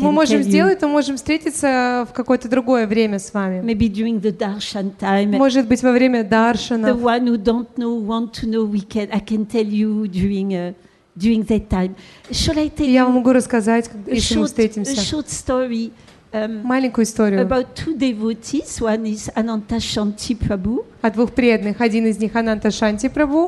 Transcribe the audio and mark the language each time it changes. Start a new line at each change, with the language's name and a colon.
Russian: мы можем сделать, то можем встретиться в какое-то другое время с вами.
English: Maybe during the darshan time.
Russian: Может быть, во время даршана.
English: The one who don't know, want to know, I can tell you during during that time. Shall I tell you?
Russian: Я вам могу рассказать, если мы встретимся.
English: A short story.
Russian: Маленькую историю.
English: About two devotees. One is Ananta Shanti Prabhu.
Russian: О двух преданных. Один из них Ананта Шанти Прабу.